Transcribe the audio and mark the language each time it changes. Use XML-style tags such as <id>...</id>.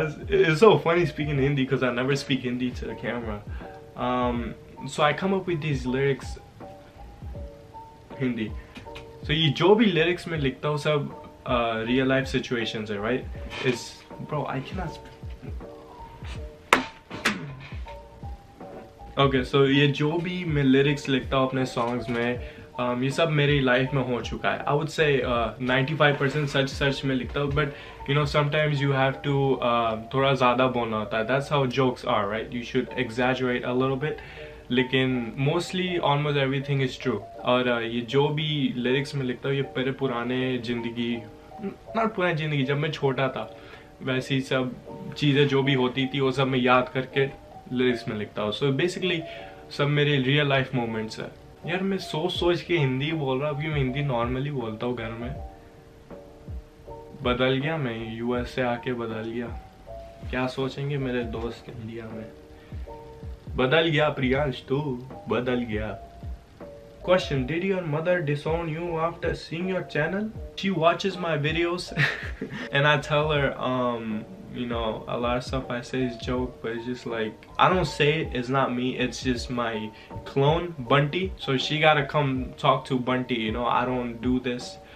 <en>It's so funny speaking Hindi because I never speak Hindi to the camera. So I come up with these lyrics. Hindi.</en> <hi>So ये जो भी lyrics में लिखता who सब</hi> <en>real life situations</en> <hi>है, right?</hi> <en>It's, bro, I cannot speak.</en> <hi>Okay, so ये जो भी मैं lyrics लिखता अपने songs में, ये सब मेरी life में हो चुका है।</hi> <en>I would say 95%</en> <hi>सच में लिखता,</hi> <en>but you know sometimes you have to</en> <hi>थोड़ा ज़्यादा बोलना होता है।</hi> <en>That's how jokes are, right? You should exaggerate a little bit, lekin mostly almost everything is true.</en> <hi>और ये जो भी lyrics में लिखता ये मेरे पुराने ज़िंदगी, not पुराने ज़िंदगी, जब मैं छोटा था, वैसी सब चीज़े जो भी होती थी वो सब मैं याद करके lyrics में लिखता हु। So basically सब मेरे</hi> <en>real life moments</en> <hi>है यार। मैं सोच के हिंदी बोल रहा हु, हिंदी नॉर्मली बोलता हु घर में। बदल गया मैं, US से आके बदल गया। क्या सोचेंगे मेरे दोस्त इंडिया में? बदल गया प्रियांश, तू बदल गया।</hi> <en>Question: did your mother disown you after seeing your channel? She watches my videos and I tell her you know, a lot of stuff I say is joke, but it's just like, I don't say it, it's not me, it's just my clone, Bunty. So she gotta come talk to Bunty, you know, I don't do this.</en>